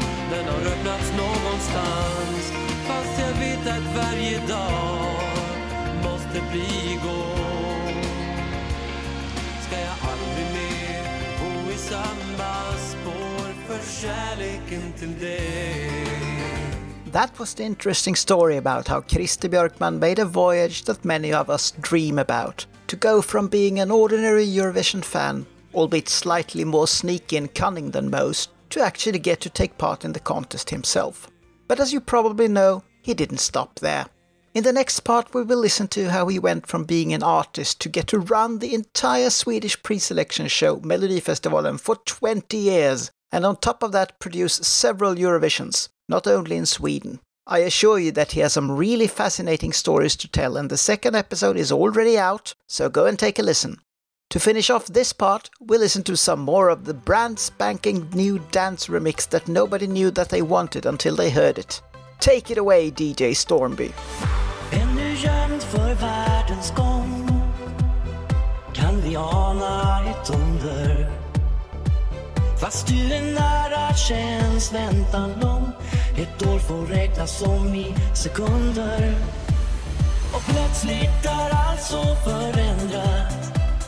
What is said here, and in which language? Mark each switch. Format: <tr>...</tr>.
<sv>Den har öppnats någonstans, fast jag vet att varje dag måste bli igår. Ska jag aldrig mer bo i samma spår för kärleken till dig?</sv> <en>That was the interesting story about how Christer Björkman made a voyage that many of us dream about. To go from being an ordinary Eurovision fan, albeit slightly more sneaky and cunning than most, to actually get to take part in the contest himself. But as you probably know, he didn't stop there. In the next part, we will listen to how he went from being an artist to get to run the entire Swedish pre-selection show Melodifestivalen for 20 years, and on top of that produce several Eurovisions, not only in Sweden. I assure you that he has some really fascinating stories to tell, and the second episode is already out, so go and take a listen. To finish off this part, we'll listen to some more of the brand spanking new dance remix that nobody knew that they wanted until they heard it. Take it away, DJ Stormby.</en> <sv>Ännu jämt för världens gång kan vi ana ett under. Fast du är nära känns väntan lång. Ett år får räknas som i sekunder. Och plötsligt är allt så förändrat.</sv>